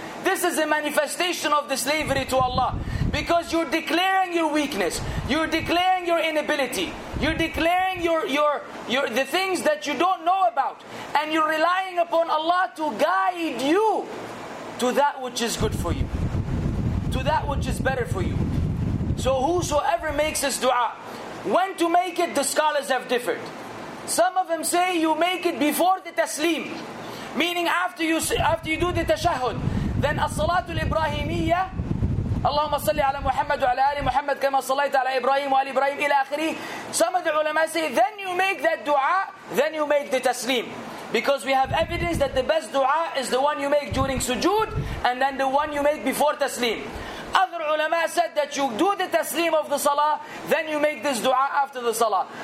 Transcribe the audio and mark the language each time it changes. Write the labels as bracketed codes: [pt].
[en] This is a manifestation of the slavery to Allah. Because you're declaring your weakness, you're declaring your inability, you're declaring your the things that you don't know about, and you're relying upon Allah to guide you to that which is good for you, to that which is better for you. So whosoever makes this dua, when to make it, the scholars have differed. Some of them say you make it before the taslim, meaning after you do the tashahud, then as-salatul ibrahimiyya, [ar] اللهم صل على محمد وعلى آل محمد كما صليت على إبراهيم وآل إبراهيم إلى آخره. [en] Some of the ulama say, then you make that dua, then you make the taslim. Because we have evidence that the best dua is the one you make during sujood and then the one you make before taslim. Other ulama said that you do the taslim of the salah, then you make this dua after the salah.